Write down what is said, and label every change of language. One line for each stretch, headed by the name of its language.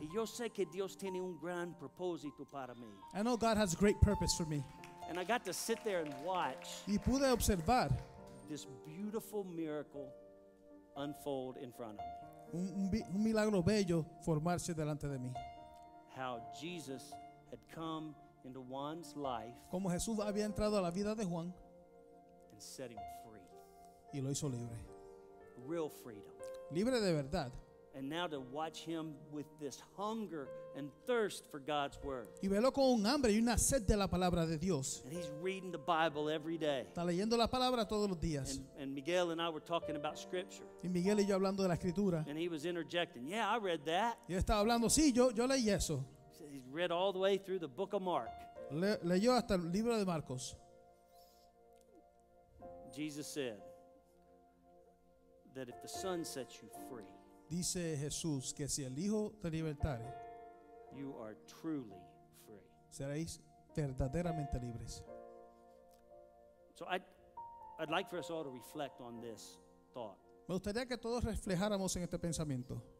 Spanish: Y yo sé que Dios tiene un gran propósito para mí.
English: I know God has a great purpose for me. And I got to sit there and watch.
Spanish: Y pude observar
English: this beautiful miracle unfold in front of me.
Spanish: Un milagro bello formarse delante de mí.
English: How Jesus had come into Juan's life.
Spanish: Como Jesús había entrado a la vida de Juan.
English: And set him free.
Spanish: Y lo hizo libre.
English: Real freedom.
Spanish: Libre de verdad.
English: And now to watch him with this hunger and thirst for God's word.
Spanish: Y verlo con un hambre y una sed de la palabra de Dios.
English: And he's reading the Bible every day.
Spanish: Está leyendo la palabra todos los días.
English: And Miguel and I were talking about scripture.
Spanish: Y Miguel y yo hablando de la escritura.
English: And he was interjecting, "Yeah, I read that."
Spanish: Y estaba hablando, "Sí, yo leí eso."
English: He's read all the way through the book of Mark.
Spanish: Leyó hasta el libro de Marcos.
English: Jesus said that if the Son sets you free,
Spanish: dice Jesús que si el Hijo te libertare,
English: you are truly free.
Spanish: Seréis verdaderamente libres.
English: So I'd like for us all to reflect on this thought.
Spanish: Me gustaría que todos reflejáramos en este pensamiento.